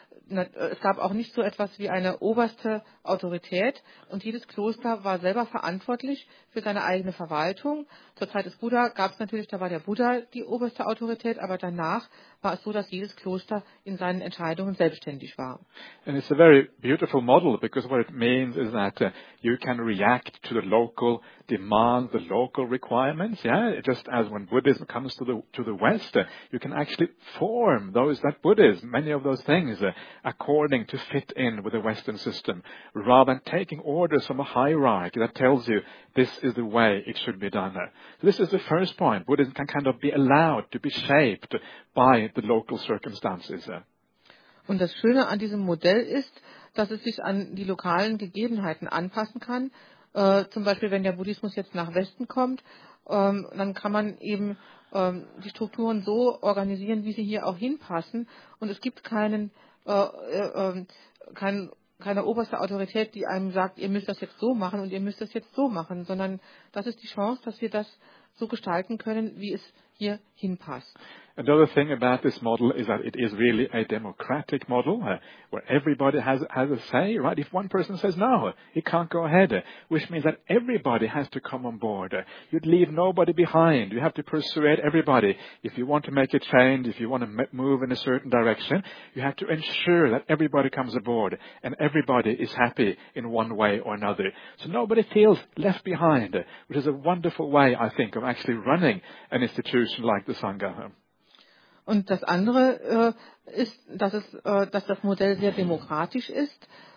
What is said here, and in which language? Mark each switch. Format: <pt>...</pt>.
<de>Es gab auch nicht so etwas wie eine oberste Autorität, und jedes Kloster war selber verantwortlich für seine eigene Verwaltung. Zur Zeit des Buddha gab es natürlich, da war der Buddha die oberste Autorität, aber danach war es so, dass jedes Kloster in seinen Entscheidungen selbstständig war.</de> <en>And it's a very beautiful model, because what it means is that you can react to the local demands, the local requirements. Yeah, just as when Buddhism comes to the West, you can actually form those that Buddhism, many of those things, according to fit in with the Western system, rather than taking orders from a hierarchy that tells you this is the way it should be done. So this is the first point. Buddhism can kind of be allowed to be shaped by the local circumstances.</en> <de>Und das Schöne an diesem Modell ist, dass es sich an die lokalen Gegebenheiten anpassen kann. Zum Beispiel, wenn der Buddhismus jetzt nach Westen kommt, dann kann man eben die Strukturen so organisieren, wie sie hier auch hinpassen. Und es gibt keine oberste Autorität, die einem sagt, ihr müsst das jetzt so machen und ihr müsst das jetzt so machen, sondern das ist die Chance, dass wir das so gestalten können, wie es hier hinpasst.</de> <en>Another thing about this model is that it is really a democratic model, where everybody has a say, right? If one person says no, he can't go ahead, which means that everybody has to come on board. You'd leave nobody behind. You have to persuade everybody. If you want to make a change, if you want to move in a certain direction, you have to ensure that everybody comes aboard and everybody is happy in one way or another. So nobody feels left behind, which is a wonderful way, I think, of actually running an institution like the Sangha.</en> <de>Und das andere ist, dass das Modell sehr demokratisch ist.</de>